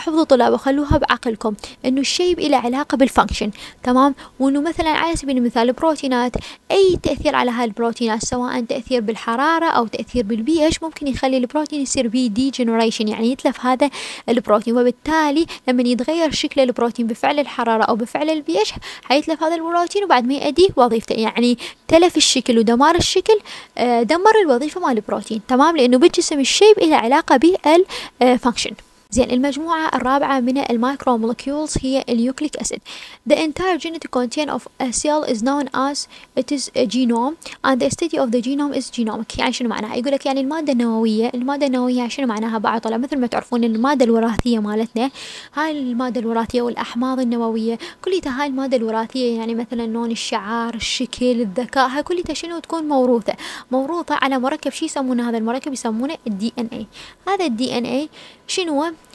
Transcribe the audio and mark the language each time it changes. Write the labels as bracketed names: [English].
[Arabic] حفظوا طلاب وخلوها بعقلكم انه الشيب له علاقه بالفانكشن، تمام؟ وانه مثلا على سبيل المثال البروتينات اي تاثير على هاي البروتينات سواء تاثير بالحراره او تاثير بالبي اتش ممكن يخلي البروتين يصير بي دي جنريشن، يعني يتلف هذا البروتين، وبالتالي لما يتغير شكل البروتين بفعل الحراره او بفعل البي اتش حيتلف هذا البروتين وبعد ما يؤدي وظيفته. يعني تلف الشكل ودمار الشكل دمر الوظيفه مال البروتين، تمام؟ لانه بالجسم الشيب له علاقه بالفانكشن. زين المجموعة الرابعة من المايكرو مولكيولز هي اليوكليك أسيد. [English] The entire genetic content of a cell is known as it is a genome and the study of the genome is genomic. [Arabic] يعني شنو معناها؟ يقولك يعني المادة النووية، المادة النووية شنو معناها بعض طلاب؟ مثل ما تعرفون المادة الوراثية مالتنا، هاي المادة الوراثية والأحماض النووية كلها هاي المادة الوراثية، يعني مثلا لون الشعر، الشكل، الذكاء، هاي كلها شنو؟ تكون موروثة، موروثة على مركب شي يسمونه، هذا المركب يسمونه الدي ان اي. هذا الدي ان اي شنو؟